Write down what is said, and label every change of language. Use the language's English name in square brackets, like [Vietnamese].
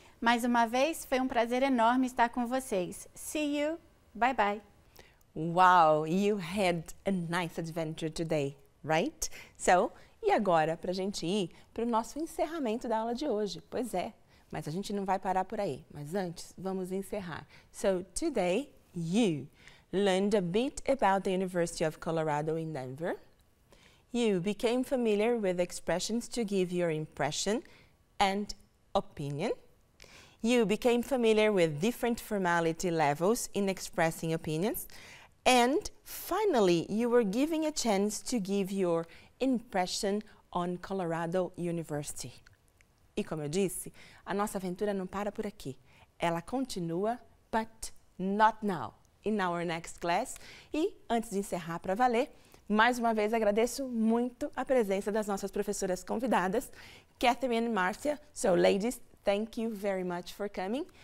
[Portuguese] Mais uma vez, foi um prazer enorme estar com vocês. [English] See you. Bye-bye. Wow, you had a nice adventure today, right? [Portuguese] So, e agora, para a gente ir para o nosso encerramento da aula de hoje. Pois é, mas a gente não vai parar por aí. Mas antes, vamos encerrar. [English] So, today, you learned a bit about the University of Colorado in Denver. You became familiar with expressions to give your impression and opinion. You became familiar with different formality levels in expressing opinions. And finally, you were given a chance to give your impression on Colorado University. [Portuguese] E como eu disse, a nossa aventura não para por aqui. Ela continua, [English] but not now, in our next class. [Portuguese] E antes de encerrar para valer, mais uma vez agradeço muito a presença das nossas professoras convidadas, Katherine e Márcia. [English] So, ladies, thank you very much for coming.